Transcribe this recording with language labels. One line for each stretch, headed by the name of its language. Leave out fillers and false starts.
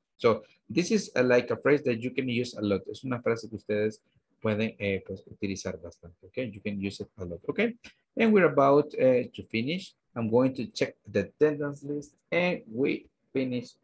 English: So, this is like a phrase that you can use a lot.
Spanish: Es una frase que ustedes pueden pues, utilizar bastante, okay?
English: You can use it a lot, okay? And we're about to finish. I'm going to check the attendance list and we finish.